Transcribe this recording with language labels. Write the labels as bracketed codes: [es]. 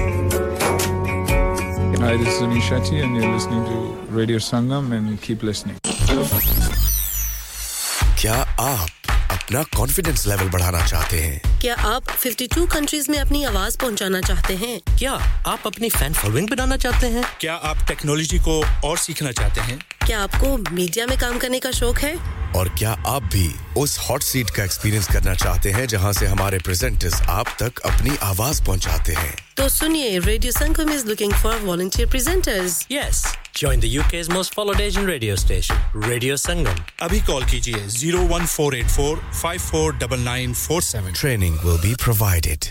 [en] And you're listening to Radio Sangam and keep listening. [hi] क्या आप अपना confidence level बढ़ाना चाहते हैं? क्या आप 52 countries में अपनी आवाज पहुंचाना चाहते हैं? क्या आप अपनी fan following बनाना चाहते हैं? क्या आप technology को और सीखना चाहते हैं? क्या आपको media में काम करने का शौक है? और क्या आप भी उस hot seat का experience करना चाहते हैं जहां से हमारे presenters आप तक अपनी आवाज पहुंचाते हैं? [en] So, Sunye, Radio Sangam is looking for volunteer presenters. Yes. Join the UK's most followed Asian radio station, Radio Sangam. [hi] Abhi call kijiye 01484-549947. [en] Training will be provided.